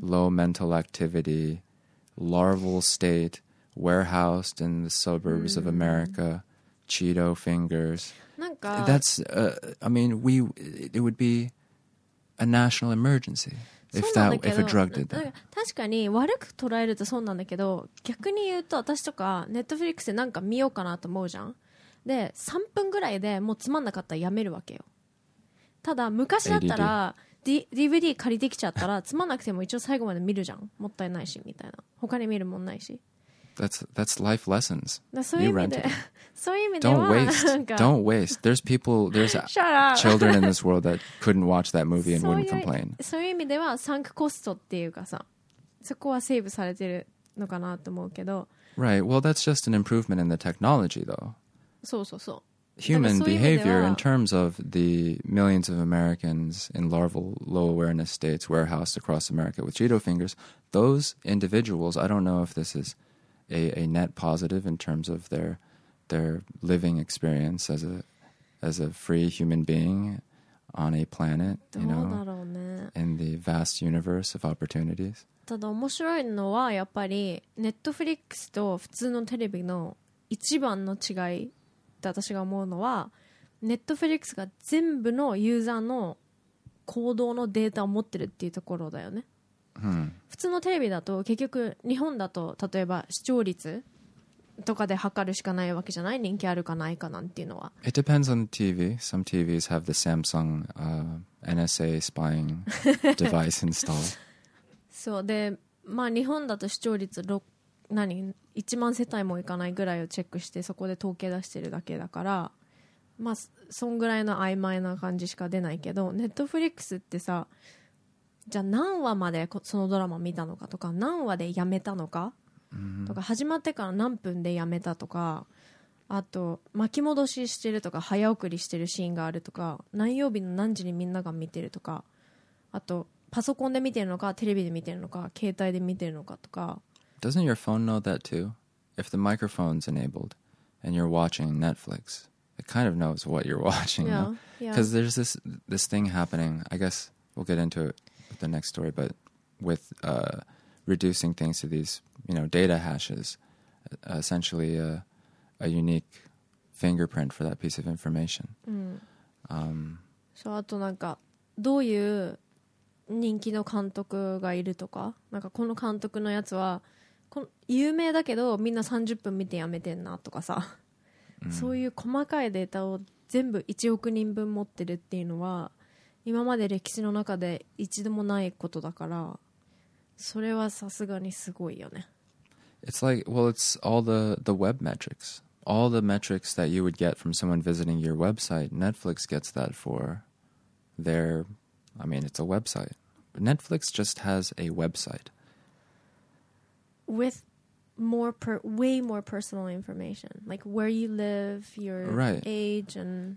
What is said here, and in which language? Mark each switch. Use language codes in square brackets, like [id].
[en] low mental activity, larval state, warehoused in the suburbs、mm-hmm. of America, Cheeto fingers... That's, I mean, it would be a national emergency if a drug did that. [ja] 確かに悪く捉えるとそうなんだけど、逆に言うと私とかネットフリックスでなんか見ようかなと思うじゃん。で、3分ぐらいでもうつまんなかったらやめるわけよ。ただ昔だったら、DVD 借りてきちゃったらつまんなくても一応最後まで見るじゃん。もったいないしみたいな。他に見るもんないし。 [en] That's life lessons. [ja] そういう意味で、そういう意味では、 [en] don't waste. Don't waste. There's people. There's children in this world that couldn't watch that movie and wouldn't complain. [ja] そういう意味では、サンクコストっていうかさ、そこはセーブされてるのかなと思うけど。 [en] Right. Well, that's just an improvement in the technology, though. [ja] そうそうそう。 [en] Human behavior in terms of the millions of Americans in larval, low awareness states warehoused across America with Cheeto fingers. Those individuals, I don't know if this is. A net positive in terms of their living experience as a free human being on a planet, you know, in the vast universe of opportunities. [ja] ただ面白いのはやっぱり Netflix と普通のテレビの一番の違いって私が思うのは、ネットフリックスが全部のユーザーの行動のデータを持ってるっていうところだよね。普通のテレビだと結局日本だと例えば視聴率とかで測るしかないわけじゃない、人気あるかないかなんていうのは。 [en] It depends on the TV. Some TVs have the Samsung、NSA spying device installed. [ja] そうで、まあ日本だと視聴率何1万世帯もいかないぐらいをチェックしてそこで統計出してるだけだから、まあそんぐらいの曖昧な感じしか出ないけど、 Netflix ってさ、じゃあ何話までそのドラマ見たのかとか、何話でやめたのか、とか始まってから何分でやめたとか、あと巻き戻ししてるとか早送りしてるシーンがあるとか、何曜日の何時にみんなが見てるとか、あとパソコンで見てるのかテレビで見てるのか携帯で見てるのかとか。 [en] Doesn't your phone know that too? If the microphone's enabled and you're watching Netflix, it kind of knows what you're watching. Yeah, no? Because there's this thing happening, I guess we'll get into itthe next story, but with reducing things to these, you know, data hashes, essentially a unique fingerprint for that piece of information. [ja] So, あとなんかどういう人気の監督がいるとか、なんかこの監督のやつは有名だけどみんな30分見てやめてんなとかさ、そういう細かいデータを全部1億人分持ってるっていうのは。今まで歴史の中で一度もないことだから、それはさすがにすごいよね。 [en] It's like, well, it's all the web metrics. All the metrics that you would get from someone visiting your website, Netflix gets that for their, I mean, it's a website. Netflix just has a website. With way more personal information, like where you live, your age, and